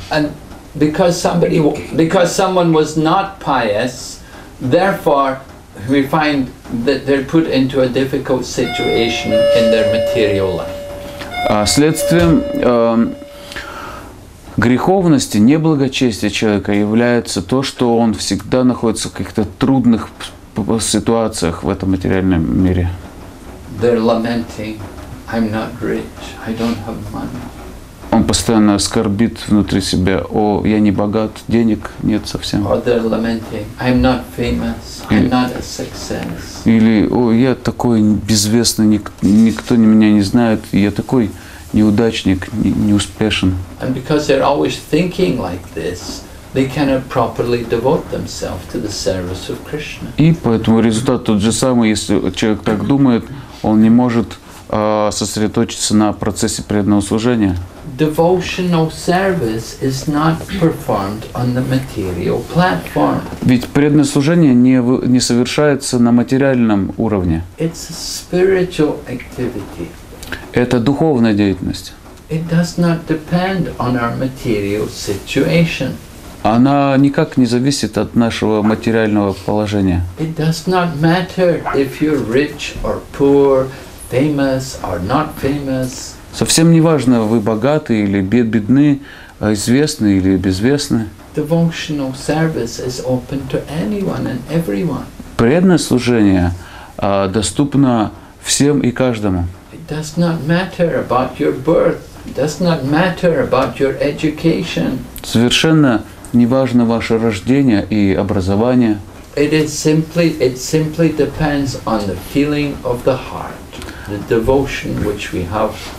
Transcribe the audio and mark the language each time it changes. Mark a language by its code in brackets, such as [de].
[en] And because someone was not pious, therefore we find that they're put into a difficult situation in their material life. [ru] Следствием греховности, неблагочестия человека является то, что он всегда находится в каких-то трудных ситуациях в этом материальном мире. [en] They're lamenting, I'm not rich, I don't have money. [ru] Он постоянно скорбит внутри себя, о, я не богат, денег нет совсем. [en] Or they're lamenting, I'm not famous, I'm not a success. [ru] Или, о, я такой безвестный, никто меня не знает, я такой неудачник, неуспешен. [en] And because they're always thinking like this, they cannot properly devote themselves to the service of Krishna. [ru] И поэтому результат тот же самый, если человек так думает, он не может сосредоточиться на процессе преданного служения. [en] Devotional service is not performed on the material platform. [ru] Ведь преданное служение не совершается на материальном уровне. [en] It's a spiritual activity. [ru] Это духовная деятельность. [en] It does not depend on our material situation. [ru] Она никак не зависит от нашего материального положения. [en] It does not matter if you're rich or poor, famous or not famous. [ru] Совсем не важно, вы богаты или бедны, известны или безвестны. [en] Devotional service is open to anyone and everyone. [ru] Преданное служение доступно всем и каждому. [en] It does not matter about your birth. It does not matter about your education. [ru] Совершенно не важно ваше рождение и образование. [en] It simply depends on the feeling of the heart, the devotion which we have.